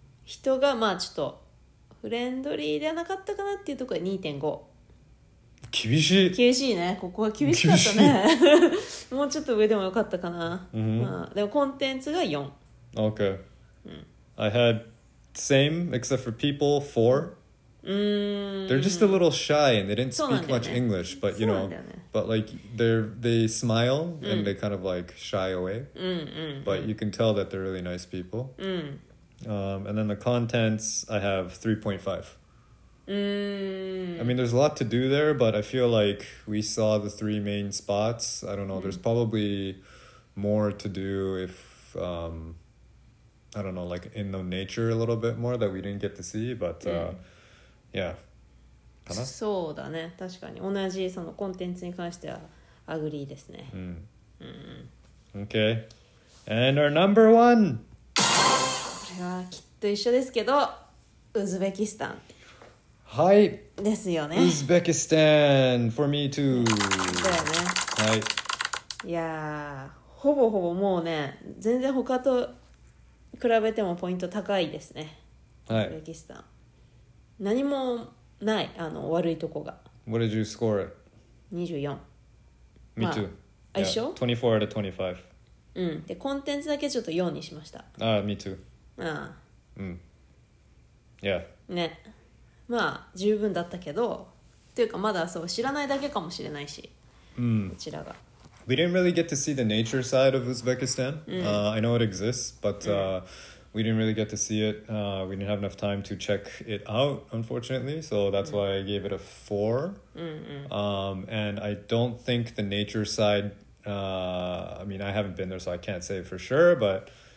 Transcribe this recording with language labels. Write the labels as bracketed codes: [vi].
[ja] 人がまあちょっとフレンドリーではなかったかなっていうところで 2.5。厳しい厳しいね、ここは厳しかったね。もうちょっと上でもよかったかな、 mm-hmm. まあ、でもコンテンツが4。 [en] OK、うん、 I had same except for people 4。 They're just a little shy and they didn't speak、ね、 much English, but you know、ね、 but like they smile and、うん、 they kind of like shy away、うんうんうん、 but you can tell that they're really nice people、うん、 and then the contents I have 3.5。 Mm. I mean, there's a lot to do there, but I feel like we saw the three main spots. I don't know.、Mm. There's probably more to do if,、I don't know, like in the nature a little bit more that we didn't get to see. But、yeah. [ja] かな？そうだね。確かに。同じそのコンテンツに関してはアグリーですね。 [en] うん。Okay. And our number one! [ja] これはきっと一緒ですけど、ウズベキスタン。はい。ですよね。 [en] ウズベキスタン、for me too。 [ja] だよね。はい。いやー、ほぼほぼもうね、全然他と比べてもポイント高いですね。はい。ウズベキスタン。何もない、あの、悪いとこが。 [en] What did you score? 24。 Me too。 [ja] あ、一緒？ [en] 24 out of 25。うん。 [ja] で、コンテンツだけちょっと4にしました。 [en] あ、me too。ああ。うん。Yeah。 [ja] ね。まあ十分だったけど、というかまだそう知らないだけかもしれないし、 mm. こちらが。 [en] We didn't really get to see the nature side of Uzbekistan.、 Mm. I know it exists, but、mm. We didn't really get to see it.、We didn't have enough time to check it out, unfortunately. So that's、mm. why I gave it a 4.、 Mm-hmm. And I don't think the nature side...、I mean, I haven't been there, so I can't say for sure, but...